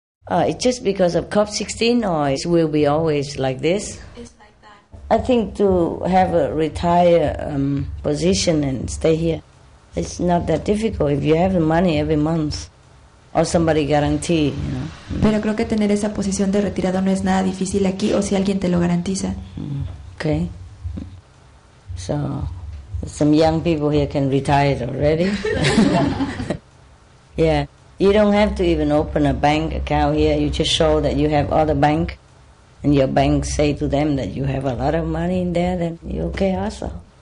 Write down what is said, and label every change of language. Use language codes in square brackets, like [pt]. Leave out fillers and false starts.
[en] It's just because of COP16, or it will be always like this? It's like that. I think to have a retired position and stay here, it's not that difficult if you have the money every month. Or somebody guarantee, you know. [es] Pero creo que tener esa posición de retirado no es nada difícil aquí, o si alguien te lo garantiza. [en] Okay. So, some young people here can retire already. Yeah. You don't have to even open a bank account here. You just show that you have other bank, and your bank say to them that you have a lot of money in there, then you're okay also.